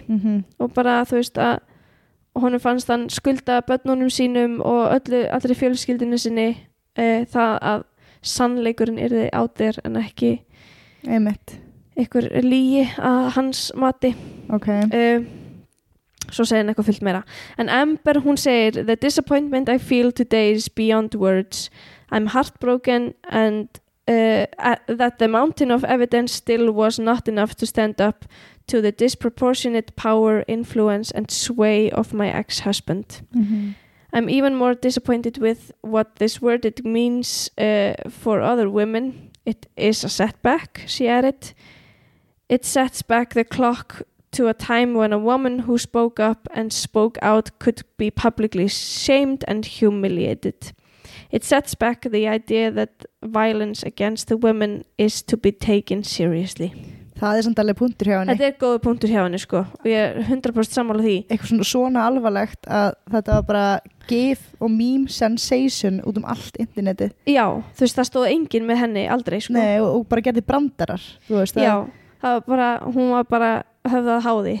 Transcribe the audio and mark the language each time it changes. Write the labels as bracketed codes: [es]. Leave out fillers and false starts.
[is] mm-hmm. og bara þú veist að honum fannst hann skulda börnunum sínum og öllu allri fjölskyldinu sinni það að sannleikurinn yrði á þér en ekki einmitt einhver lígi að hans mati okay. Svo segir hann eitthvað fullt meira en Amber hún segir [en] the disappointment I feel today is beyond words I'm heartbroken and that the mountain of evidence still was not enough to stand up to the disproportionate power, influence and sway of my ex-husband mm-hmm. I'm even more disappointed with what this word it means for other women. It is a setback, she added. It sets back the clock to a time when a woman who spoke up and spoke out could be publicly shamed and humiliated. It sets back the idea that violence against the women is to be taken seriously. [is] Það samt alveg punktur hjá henni. Þetta góður punktur hjá henni, sko. Og ég 100% sammála því. Eitthvað svona alvarlegt að þetta var bara gif og meme sensation út allt internetið. Já, þú veist, það stóð enginn með henni aldrei, sko. Nei, og bara gerði brandarar, þú veist. Já, það var bara, hún var bara höfðað háði,